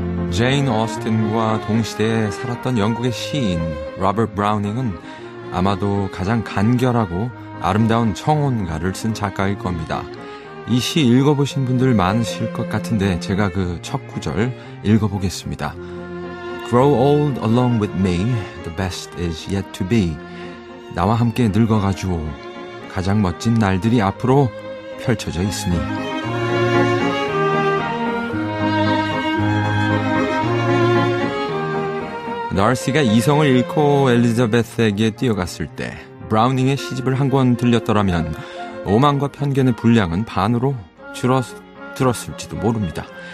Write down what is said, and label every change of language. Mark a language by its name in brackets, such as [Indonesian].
[Korean] 제인 어스틴과 동시대에 살았던 영국의 시인 로버트 브라우닝은 아마도 가장 간결하고 아름다운 청혼가를 쓴 작가일 겁니다. 이 시 읽어보신 분들 많으실 것 같은데 제가 그 첫 구절 읽어보겠습니다. [English] Grow old along with me, the best is yet to be. [Korean] 나와 함께 늙어가지오. 가장 멋진 날들이 앞으로 펼쳐져 있으니. 다르시가 이성을 잃고 엘리자베스에게 뛰어갔을 때 브라우닝의 시집을 한 권 들렸더라면 오만과 편견의 분량은 반으로 줄었을지도 모릅니다.